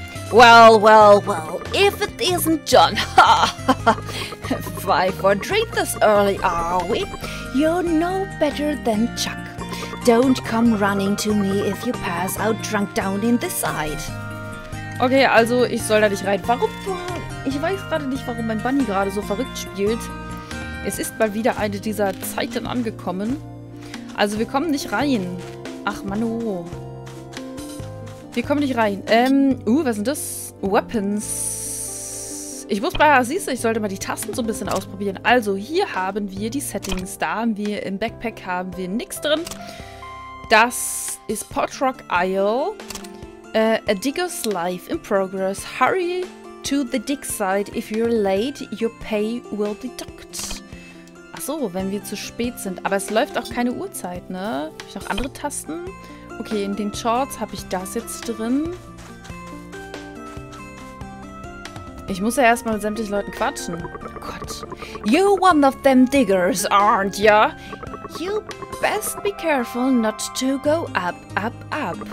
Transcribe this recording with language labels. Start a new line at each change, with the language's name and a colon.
English: Well, well, well. If it isn't John. Why for treat this early, are we? You're no better than Chuck. Don't come running to me if you pass out drunk down in the side.
German: Okay, also ich soll da nicht rein. Warum? Ich weiß gerade nicht, warum mein Bunny gerade so verrückt spielt. Es ist mal wieder eine dieser Zeiten angekommen. Also wir kommen nicht rein. Ach, Mann, oh. Wir kommen nicht rein. Was sind das? Weapons. Ich muss mal, siehst du, ich sollte mal die Tasten so ein bisschen ausprobieren. Also, hier haben wir die Settings. Da haben wir im Backpack haben wir nichts drin. Das ist
English: Potrock Isle. A digger's life in progress. Hurry to the dig site. If you're late, your pay will be docked.
German: Achso, wenn wir zu spät sind. Aber es läuft auch keine Uhrzeit, ne? Habe ich noch andere Tasten? Okay, in den Shorts habe ich das jetzt drin. Ich muss ja erstmal mit sämtlichen Leuten quatschen. Oh Gott.
English: You're one of them diggers, aren't ya? You best be careful not to go up, up, up.